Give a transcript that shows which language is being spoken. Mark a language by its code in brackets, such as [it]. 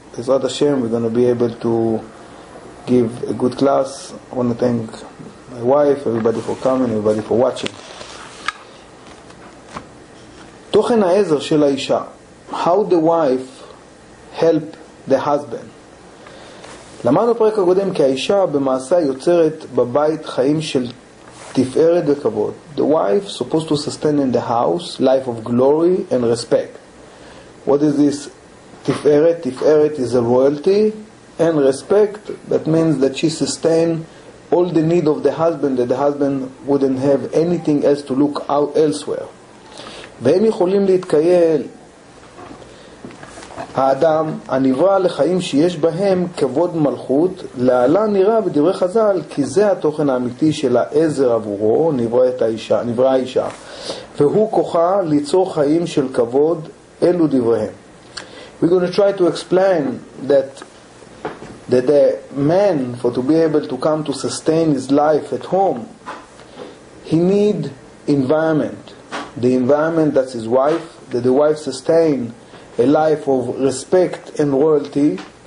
[en] Bezrat Hashem, we're going to be able to give a good class. I want to thank my wife, everybody for coming, everybody for watching. [he] Tochen Ha'ezer Shel Ha'isha, [en] how the wife help the husband. [he] למדנו פרק הקודם כי האישה במעשה יוצרת בבית חיים של תפארת וכבוד. [en] The wife supposed to sustain in the house life of glory and respect. What is this תפארת? תפארת is a royalty and respect. That means that she sustain all the need of the husband, that the husband wouldn't have anything else to look out elsewhere. [he] והם יכולים להתקייל. האדם הנברא לחיים שיש בהם כבוד מלכות, להלה נראה בדברי חז"ל כי זה התוכן האמיתי של העזר עבורו, נברא האישה, והוא כוחה ליצור חיים של כבוד, אלו דבריהם. [en] We're going to try to explain that the man, for to be able to come to sustain his life at home, he need environment, the environment that's his wife, that the wife sustain a life of respect and royalty.